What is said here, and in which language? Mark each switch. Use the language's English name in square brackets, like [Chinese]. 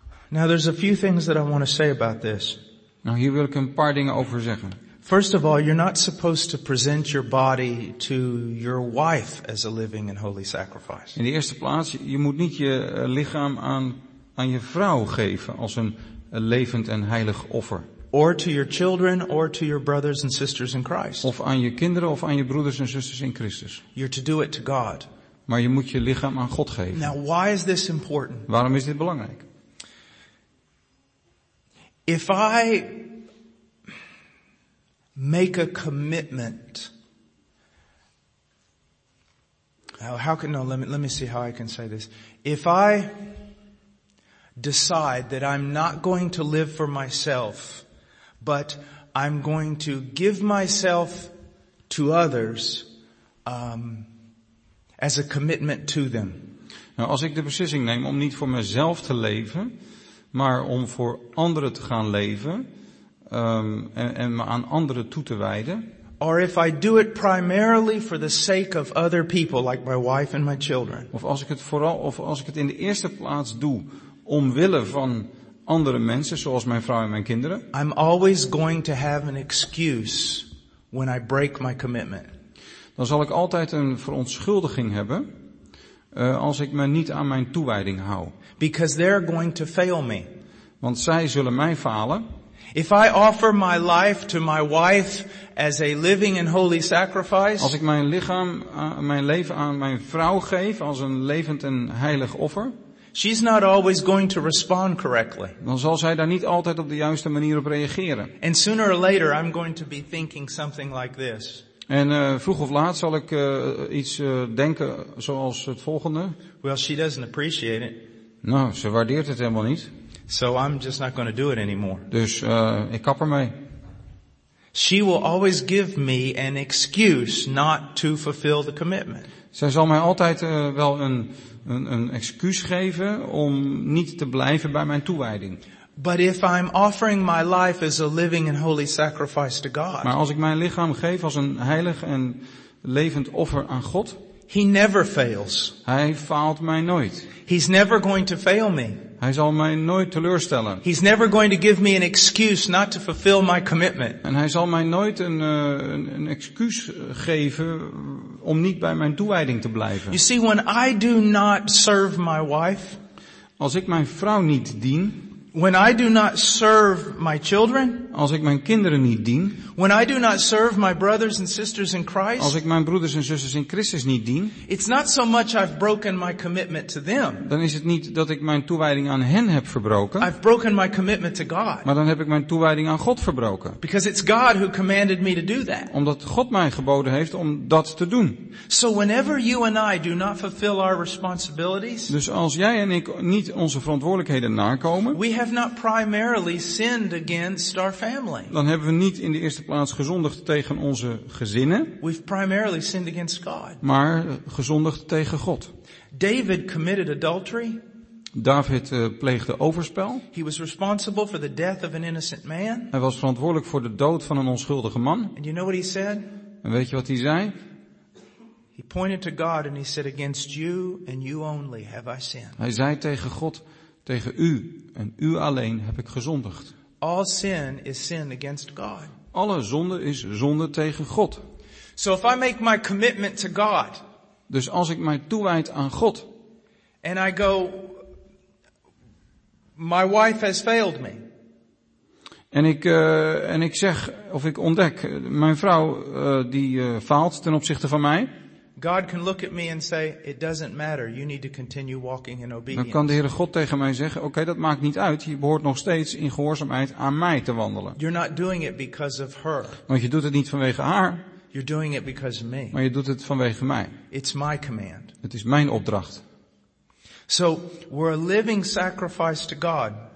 [English] Now there's a few things that I want to say about this. [Dutch] Nou, hier wil ik een paar dingen over zeggen. [English] First of all, you're not supposed to present your body to your wife as a living and holy sacrifice. [Dutch] In de eerste plaats, je moet niet je lichaam aan je vrouw geven als een levend en heilig offer. [English] Or to your children or to your brothers and sisters in Christ. [Dutch] Of aan je kinderen of aan je broeders en zusters in Christus. [English] You're to do it to God. [Dutch] Maar je moet je lichaam aan God geven. [English] Now, why is this important? [Dutch] Waarom is dit belangrijk? [English] If I make a commitment. Let me see how I can say this. If I decide that I'm not going to live for myself, but I'm going to give myself to others, as a commitment to them. [Dutch] Nou, als ik de beslissing neem om niet voor mezelf te leven, maar om voor anderen te gaan leven, en me aan anderen toe te wijden. [English] Or if I do it primarily for the sake of other people, like my wife and my children. [Dutch] Of als ik het in de eerste plaats doe omwille van andere mensen, zoals mijn vrouw en mijn kinderen. [English] I'm always going to have an excuse when I break my commitment. [Dutch] Dan zal ik altijd een verontschuldiging hebben als ik me niet aan mijn toewijding hou. [English] Because they're going to fail me. [Dutch] Want zij zullen mij falen. [English] If I offer my life to my wife as a living and holy sacrifice. [Dutch] Als ik mijn lichaam, mijn leven aan mijn vrouw geef als een levend en heilig offer. [English] She's not always going to respond correctly. [Dutch] Dan zal zij daar niet altijd op de juiste manier op reageren. [English] And sooner or later I'm going to be thinking something like this. [Dutch] En vroeg of laat zal ik iets denken zoals het volgende. [English] Well, she doesn't appreciate it. [Dutch] Nou, ze waardeert het helemaal niet. [English] So I'm just not going to do it anymore. [Dutch] Dus ik kap ermee. [English] She will always give me an excuse not to fulfill the commitment. [Dutch] Zij zal mij altijd wel een excuus geven om niet te blijven bij mijn toewijding. [English] But if I'm offering my life as a living and holy sacrifice to God. [Dutch] Maar als ik mijn lichaam geef als een heilig en levend offer aan God. [English] He never fails. [Dutch] Hij faalt mij nooit. [English] He's never going to fail me. [Dutch] Hij zal mij nooit teleurstellen. [English] He's never going to give me an excuse not to fulfill my commitment. [Dutch] En hij zal mij nooit een excuus geven om niet bij mijn toewijding te blijven. [English] You see, when I do not serve my wife. [Dutch] Als ik mijn vrouw niet dien. [English] When I do not serve my children, [Dutch] als ik mijn kinderen niet dien, [English] when I do not serve my brothers and sisters in Christ, [Dutch] als ik mijn broeders en zusters in Christus niet dien, [English] it's not so much I've broken my commitment to them. [Dutch] Dan is het niet dat ik mijn toewijding aan hen heb verbroken. [English] I've broken my commitment to God. [Dutch] Maar dan heb ik mijn toewijding aan God verbroken. [English] Because it's God who commanded me to do that. [Dutch] Omdat God mij geboden heeft om dat te doen. [English] So whenever you and I do not fulfill our responsibilities, [Dutch] dus als jij en ik niet onze verantwoordelijkheden nakomen, [English] we have not primarily sinned against our family. [Dutch] Dan hebben we niet in de eerste plaats gezondigd tegen onze gezinnen. [English] We've primarily sinned against God. [Dutch] Maar gezondigd tegen God. [English] David committed adultery. [Dutch] David pleegde overspel. [English] He was responsible for the death of an innocent man. [Dutch] Hij was verantwoordelijk voor de dood van een onschuldige man. [English] And you know what he said? [Dutch] En weet je wat hij zei? [English] He pointed to God and he said, "Against you and you only have I sinned." [Dutch] Hij zei tegen God, tegen u en u alleen heb ik gezondigd. [English] All sin is sin against God. [Dutch] Alle zonde is zonde tegen God. [English] So if I make my commitment to God. [Dutch] Dus als ik mij toewijd aan God. [English] And I go, my wife has failed me. [Dutch] En ik zeg of ik ontdek, mijn vrouw faalt ten opzichte van mij. [English] God can look at me and say, it doesn't matter. You need to continue walking in obedience. [Dutch] Dan kan de Heere God tegen mij zeggen, oké, dat maakt niet uit. Je behoort nog steeds in gehoorzaamheid aan mij te wandelen. [English] You're not doing it because of her. [Dutch] Want je doet het niet vanwege haar. [English] You're doing it because of me. [Dutch] Maar je doet het vanwege mij. [English] It's my command. [Dutch] Het is mijn opdracht. [English] So we're a living sacrifice to God.